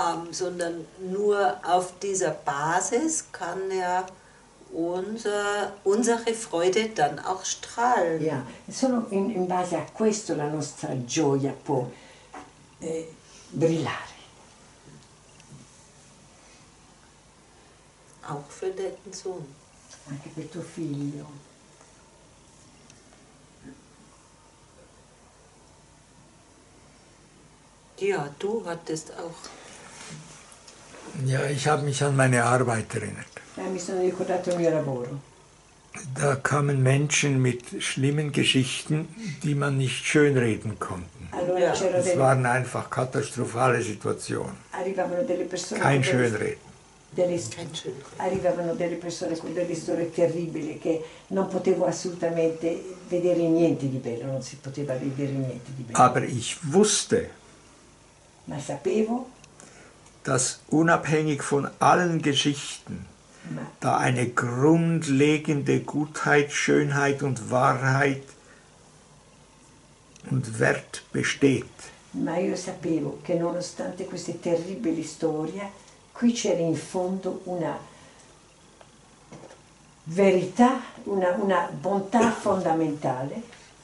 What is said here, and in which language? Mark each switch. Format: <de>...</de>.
<de>sondern nur auf dieser Basis kann ja unsere Freude dann auch strahlen.</de> <it>Ja, solo in base a questo la nostra gioia può brillare.</it> <de>Auch für den Sohn.</de> <it>Anche per tuo figlio.</it> <de>Ja, du hattest auch. Ja, ich habe mich an meine Arbeit erinnert.</de> <it>Ja, mi sono ricordato il mio lavoro.</it> <de>Da kamen Menschen mit schlimmen Geschichten, die man nicht schönreden konnte. Es waren einfach katastrophale Situationen.</de> <it>Arrivavano delle persone.</it> <de>Kein Schönreden.</de> <it>Arrivavano delle persone con delle storie terribili che non potevo assolutamente vedere niente di bello, non si poteva vedere niente di bello.</it> <de>Aber ich wusste,</de> <it>ma sapevo,</it> <de>dass unabhängig von allen Geschichten da eine grundlegende Gutheit, Schönheit und Wahrheit und Wert besteht.</de> <it>Ma io sapevo che nonostante queste terribili storie qui c'era in fondo una verità, una bontà fondamentale.</it>